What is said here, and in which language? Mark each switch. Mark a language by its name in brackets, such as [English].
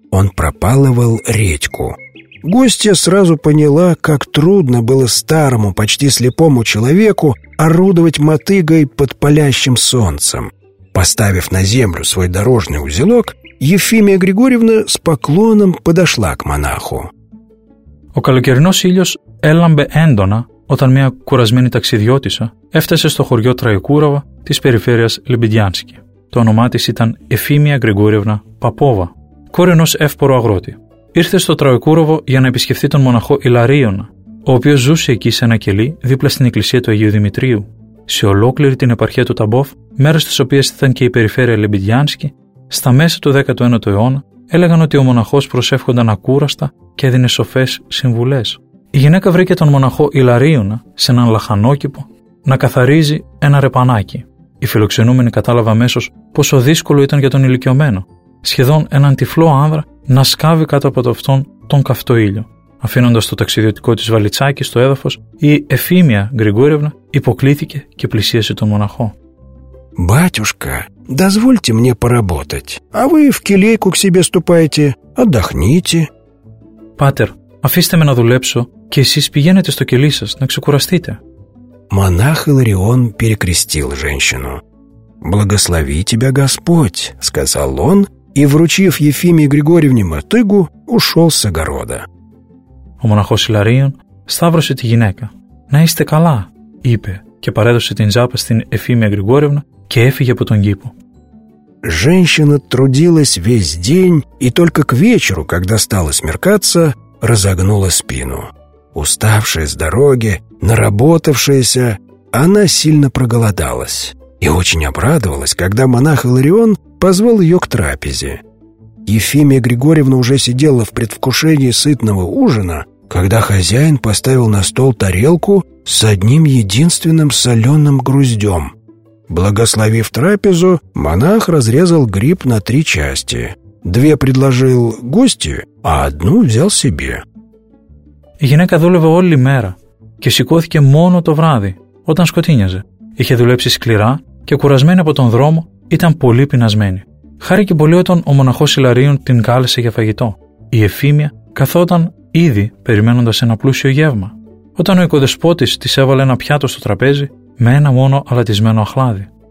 [Russian] Он пропалывал редьку. Гостья сразу поняла, как трудно было старому, почти слепому человеку орудовать мотыгой под палящим солнцем. Поставив на землю свой дорожный узелок, Ефимия Григорьевна с поклоном подошла к монаху. [Greek] Ο καλοκαιρινός ήλιος έλαμπε έντονα όταν μια κουρασμένη ταξιδιώτισσα έφτασε στο χωριό Τροϊκούροβα της περιφέρειας Λεμπιντιάνσκη. Το όνομά της ήταν Ευφήμια Γρηγόρευνα Παπόβα, κόρη ενός εύπορου αγρότη. Ήρθε στο Τροϊκούροβο για να επισκεφθεί τον μοναχό Ιλαρίωνα, ο οποίος ζούσε εκεί σε ένα κελί δίπλα στην εκκλησία του Αγίου Δημητρίου. Σε ολόκληρη την επαρχία του Ταμπόφ μέρος της οποίας ήταν και η περιφέρεια Λεμπιδιάνσκη, στα μέσα του 19ου αιώνα έλεγαν ότι ο μοναχός προσεύχονταν ακούραστα και έδινε σοφές συμβουλές. Η γυναίκα βρήκε τον μοναχό Ιλαρίωνα σε έναν λαχανόκηπο να καθαρίζει ένα ρεπανάκι. Η φιλοξενούμενη κατάλαβε αμέσως πόσο δύσκολο ήταν για τον ηλικιωμένο, σχεδόν έναν τυφλό άνδρα, να σκάβει κάτω από αυτόν τον καυτό ήλιο, αφήνοντας το ταξιδιωτικό της βαλιτσάκι στο έδαφος. Η Εφήμια Γρηγόρευνα υποκλήθηκε και πλησίασε τον μοναχό. [Russian] «Батюшка, дозвольте мне поработать, а вы в келейку к себе ступайте, отдохните». [Greek] «Πάτερ, αφήστε με να δουλέψω και εσείς πηγαίνετε στο κελί σας να ξεκουραστείτε». [Russian] Монах Иларион перекрестил женщину. «Благослови тебя Господь», — сказал он, и, вручив Ефимии Григорьевне мотыгу, ушел с огорода. [Greek] Ο μοναχός Иларион σταύρωσε τη γυναίκα. «Να είστε καλά», είπε, και παρέδωσε την τζάπα στην Ефήμια Григорьевна και έφυγε από τον κήπο. [Russian] Женщина трудилась весь день и только к вечеру, когда стало смеркаться, разогнула спину. Уставшая с дороги, наработавшаяся, она сильно проголодалась и очень обрадовалась, когда монах Иларион позвал ее к трапезе. Ефимия Григорьевна уже сидела в предвкушении сытного ужина, когда хозяин поставил на стол тарелку с одним единственным соленым груздем. Благословив трапезу, монах разрезал гриб на три части. Две предложил гостю, а одну взял себе. [Greek] Η γυναίκα δούλευε όλη μέρα και σηκώθηκε μόνο το βράδυ, όταν σκοτίνιαζε. Είχε δουλέψει σκληρά και κουρασμένη από τον δρόμο, ήταν πολύ πεινασμένη. Χάρηκε πολύ όταν ο μοναχός Ιλαρίων την κάλεσε για φαγητό. Η Εφήμια καθόταν ήδη περιμένοντας ένα πλούσιο γεύμα, όταν ο οικοδεσπότης της έβαλε ένα πιάτο στο τραπέζι με ένα μόνο αλατισμένο αχλάδι.